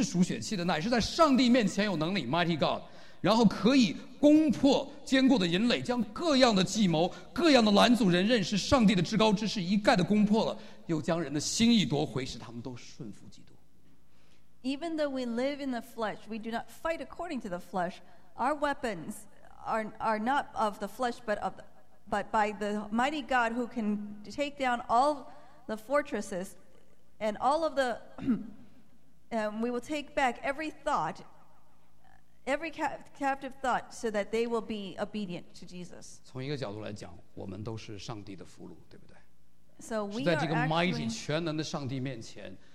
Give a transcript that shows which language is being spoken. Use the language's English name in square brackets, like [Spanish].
[Chinese] 所以格罗西书，格林多后书这样说，第十章，因为我们虽然在血气中行事，就是我们现在还没有完全的救赎，却不凭着血气征战。我们征战的兵器不是属血气的，乃是在上帝面前有能力 ， [English] Mighty God， [Chinese] 然后可以攻破坚固的营垒，将各样的计谋、各样的拦阻人认识上帝的至高之事一概的攻破了，又将人的心意夺回，使他们都顺服基督。 [English] Even though we live in the flesh, we do not fight according to the flesh. Our weapons are not of the flesh, but by the mighty God who can take down all the fortresses and all of the we will take back every thought, every captive thought, so that they will be obedient to Jesus. [Chinese] 从一个角度来讲，我们都是上帝的俘虏，对不对？ [English] So we are [Chinese] 在这个 mighty 全能的上帝面前。